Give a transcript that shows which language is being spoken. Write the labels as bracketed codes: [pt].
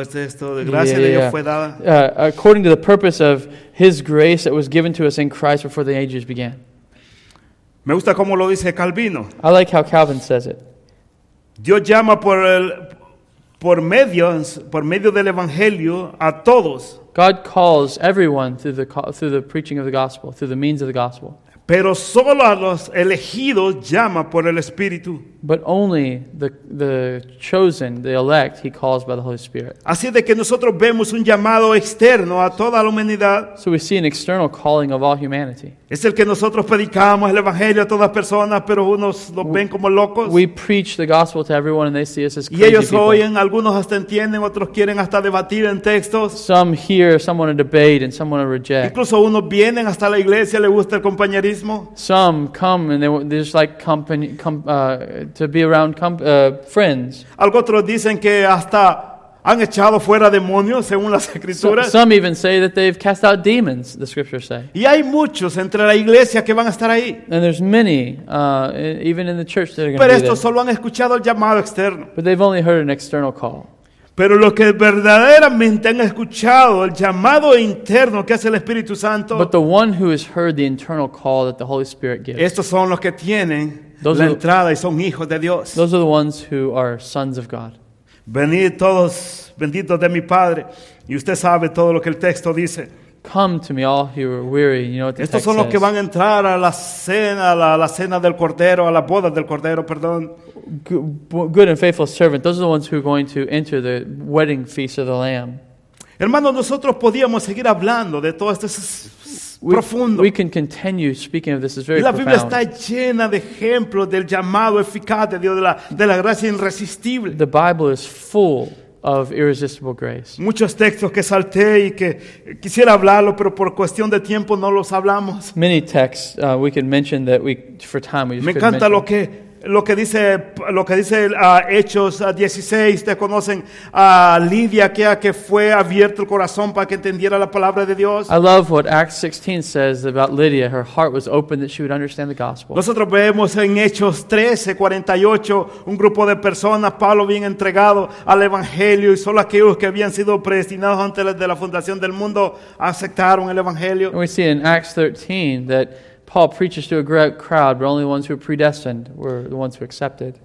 [en] According to the purpose of His grace that was given to us in Christ before the ages began. [es] Me gusta como lo dice Calvino. [en] I like how Calvin says it. [es] Dios llama por medio del evangelio a todos. [en] God calls everyone through the preaching of the gospel, through the means of the gospel. [es] Pero solo a los elegidos llama por el Espíritu. [en] But only the chosen, the elect, he calls by the Holy Spirit. [es] Así de que nosotros vemos un llamado externo a toda la humanidad. [en] So we see an external calling of all humanity. [es] Es el que nosotros predicamos el evangelio a todas personas, pero unos lo ven como locos. [en] We preach the gospel to everyone and they see us as crazy. [es] Y ellos oyen, [en] people. [es] Algunos hasta entienden, otros quieren hasta debatir en textos. [en] Some hear, some want to debate, and some want to reject. [es] Incluso unos vienen hasta la iglesia, les gusta el compañerismo. [en] Some come and they just like company. To be around friends. [es] Algo otro dicen que hasta han echado fuera demonios según las escrituras. [en] Some even say that they've cast out demons, the scriptures say. [es] Y hay muchos entre la iglesia que van a estar ahí. [en] And there's many even in the church that are going to [es] Pero estos solo han escuchado el llamado externo. [en] But they've only heard an external call. [es] Pero los que verdaderamente han escuchado el llamado interno que hace el Espíritu Santo. [en] But the one who has heard the internal call that the Holy Spirit gives. [es] Estos son los que tienen [en] those [es] la entrada y son hijos de Dios. [en] Those are the ones who are sons of God. [es] Venid todos benditos de mi Padre. Y usted sabe todo lo que el texto dice. [en] Come to me all who are weary. You know what the [es] estos [en] text [es] son los [en] says. [es] Que van a entrar a la cena del Cordero, a la boda del Cordero, perdón. [en] Good and faithful servant. Those are the ones who are going to enter the wedding feast of the Lamb. [es] Hermanos, nosotros podíamos seguir hablando de todo esto. [en] We can continue speaking of this. It's very profound. [es] La Biblia está llena de ejemplos del llamado eficaz de Dios, de la gracia irresistible. [en] The Bible is full of irresistible grace. [es] Muchos textos que salté y que quisiera hablarlo, pero por cuestión de tiempo no los hablamos. [en] Many texts we can mention that we for time we just [es] me encanta lo que dice Hechos 16. Ustedes conocen a Lidia, que fue abierto el corazón para que entendiera la palabra de Dios. [en] I love what Acts 16 says about Lydia. Her heart was open that she would understand the gospel. [es] Nosotros vemos en Hechos 13:48 un grupo de personas, Pablo bien entregado al evangelio, y solo aquellos que habían sido predestinados antes de la fundación del mundo aceptaron el evangelio. [en] And we see in Acts 13 that Paul preaches to a great crowd, but only the ones who are predestined were the ones who accepted.